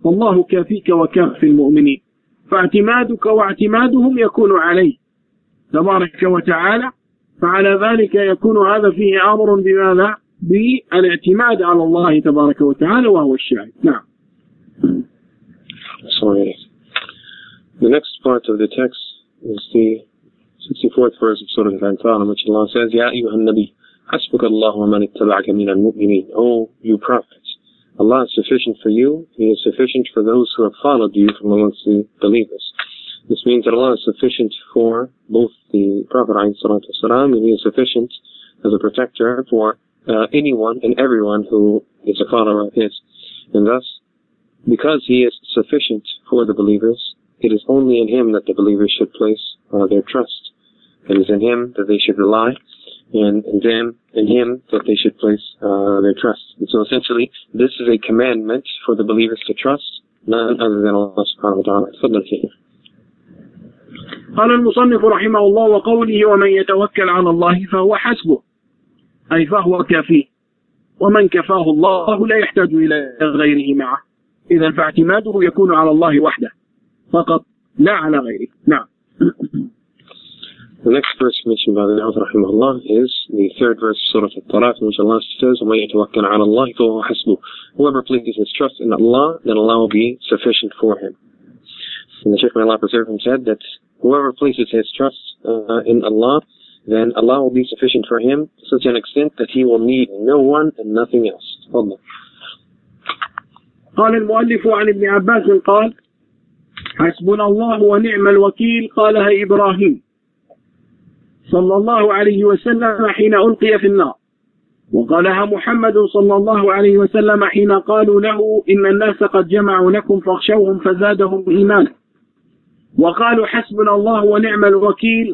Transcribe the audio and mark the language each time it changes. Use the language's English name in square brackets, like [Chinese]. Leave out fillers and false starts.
[Arabic] فالله كافيك وكافي المؤمنين. فاعتمادك واعتمادهم يكون عليه تبارك وتعالى. فعلى ذلك يكون هذا فيه أمر بماذا؟ بالاعتماد على الله تبارك وتعالى وهو الشاهد. نعم. [English] The next part of the text is the 64th verse of Surah Al-Anfal, in which Allah says, [Arabic] يَا أَيُّهَا النَّبِيُّ حَسْبُكَ اللَّهُ وَمَنِ اتَّبَعَكَ مِنَ الْمُؤْمِنِينَ. [English] O you prophet, Allah is sufficient for you, He is sufficient for those who have followed you from amongst the believers. This means that Allah is sufficient for both the Prophet [Arabic] عليه الصلاة والسلام, [English] and He is sufficient as a protector for anyone and everyone who is a follower of His. And thus, because He is sufficient for the believers, it is only in Him that the believers should place their trust. It is in Him that they should rely, and in Him that they should place their trust. And so essentially, this is a commandment for the believers to trust none other than Allah subhanahu wa ta'ala. [Arabic] قال المصنف رحمه الله وقوله ومن يتوكل على الله فهو حسبه أي فهو كافي ومن كفاه الله لا يحتاج إلى غيره معه. إذا فاعتماده يكون على الله وحده فقط لا على غيره. نعم. [English] The next verse mentioned by the author رحمه الله is the third verse of Surah Al-Taraf, in which Allah says, [Arabic] وَمَنْ يَتَوَكَّلْ عَلَى اللَّهِ فَهُوَ حَسْبُهُ. [English] Whoever places his trust in Allah, then Allah will be sufficient for him. And the Shaykh may Allah preserve him said that whoever places his trust in Allah, then Allah will be sufficient for him to such an extent that he will need no one and nothing else. [Arabic] قال المؤلف عن ابن عباس قال حسبنا الله ونعم الوكيل قالها إبراهيم صلى الله عليه وسلم حين ألقي في النار وقالها محمد صلى الله عليه وسلم حين قالوا له إن الناس قد جمعوا لكم فاخشوهم فزادهم إيمانا وقالوا حسبنا الله ونعم الوكيل.